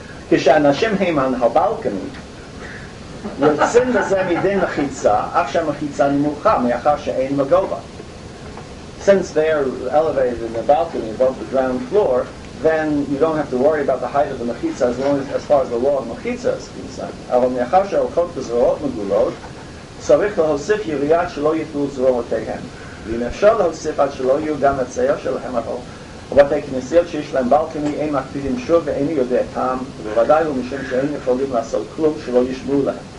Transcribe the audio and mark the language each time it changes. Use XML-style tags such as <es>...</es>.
<he>כשאנשים הם על הבלקני, יוצאים לזה מדי מחיצה, אף שהמחיצה נמוכה, מאחר שאין מגובה.</he> <en>Since they're elevated in the balcony above the ground floor, then you don't have to worry about the height of the מחיצה as long as far as the law of מחיצה is concerned.</en> <he>אבל מאחר שהולכות בזרועות מגולות, צריך להוסיף יריעת שלא יתנו זרועותיהן. ואם אפשר להוסיף עד שלא יהיו גם הצייר שלהם אבל, ובתי כנסיות שיש להם בלקני אין מקפידים שוב ואין יודע טעם, ובוודאי הוא משום שאין יכולים לעשות כלום שלא ישמעו להם.</he>